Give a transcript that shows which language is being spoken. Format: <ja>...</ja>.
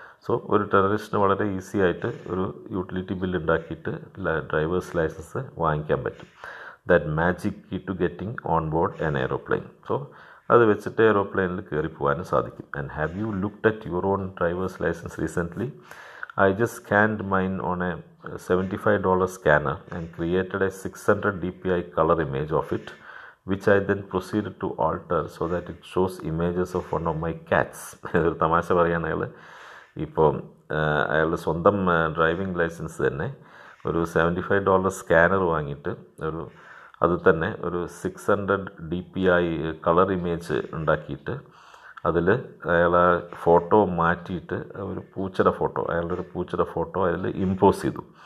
<ml>So ഒരു ടെററിസ്റ്റിന് വളരെ easy ആയിട്ട് ഒരു യൂട്ടിലിറ്റി ബിൽ ഉണ്ടാക്കിയിട്ട് ഡ്രൈവേഴ്സ് ലൈസൻസ് വാങ്ങിക്കാൻ പറ്റും.</ml> <en>That magic key to getting on board an aeroplane.</en> <ml>So അത് വെച്ചിട്ട് എയ്റോപ്ലെയിനിൽ കയറി പോകാനും സാധിക്കും.</ml> <en>And have you looked at your own driver's licence recently? I just scanned mine on a $75 scanner and created a 600 dpi color image of it, which I then proceeded to alter so that it shows images of one of my cats.</en> <ml>ഒരു തമാശ പറയാനാണ് അയാൾ. ഇപ്പോൾ അയാളുടെ സ്വന്തം driving licence തന്നെ ഒരു $75 scanner വാങ്ങിയിട്ട് ഒരു അത് തന്നെ ഒരു 600 dpi കളർ ഇമേജ് ഉണ്ടാക്കിയിട്ട് അതിൽ അയാൾ ഫോട്ടോ മാറ്റിയിട്ട് ഒരു പൂച്ചയുടെ ഫോട്ടോ, അയാളുടെ ഒരു പൂച്ചയുടെ ഫോട്ടോ അതിൽ ഇമ്പോസ് ചെയ്തു.</ml>